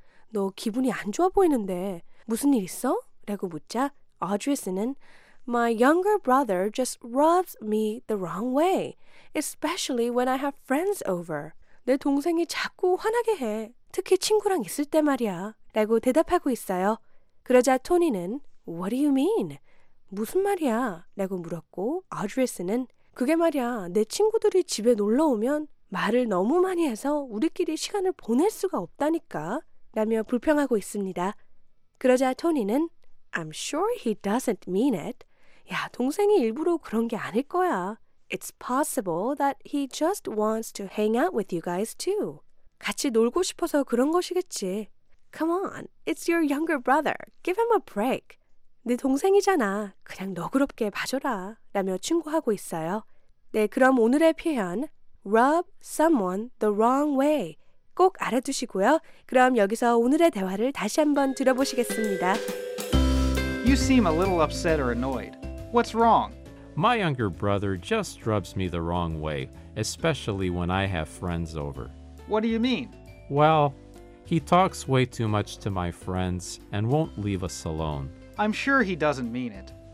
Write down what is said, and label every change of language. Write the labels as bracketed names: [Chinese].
[Korean] 너 기분이 안 좋아 보이는데 무슨 일 있어? 라고 묻자 Audrius는 [English] My younger brother just rubs me the wrong way, especially when I have friends over. [Korean] 내 동생이 자꾸 화나게 해, 특히 친구랑 있을 때 말이야, 라고 대답하고 있어요. 그러자 토니는 [English] What do you mean? [Korean] 무슨 말이야? 라고 물었고 Audrius는 그게 말이야, 내 친구들이 집에 놀러 오면 말을 너무 많이 해서 우리끼리 시간을 보낼 수가 없다니까, 라며 불평하고 있습니다. 그러자 토니는 [English] I'm sure he doesn't mean it. [Korean] 야, 동생이 일부러 그런 게 아닐 거야. [English] It's possible that he just wants to hang out with you guys too. [Korean] 같이 놀고 싶어서 그런 것이겠지. [English] Come on, it's your younger brother. Give him a break. [Korean] 네 동생이잖아. 그냥 너그럽게 봐줘라. 라며 충고하고 있어요. 네, 그럼 오늘의 표현 [English] rub someone the wrong way [Korean] 꼭 알아두시고요. 그럼 여기서 오늘의 대화를 다시 한번 들어보시겠습니다. [English] You seem a little upset or annoyed. What's wrong? My younger brother just rubs me the wrong way, especially when I have friends over. What do you mean? Well, he talks way too much to my friends and won't leave us alone. I'm sure he doesn't mean it.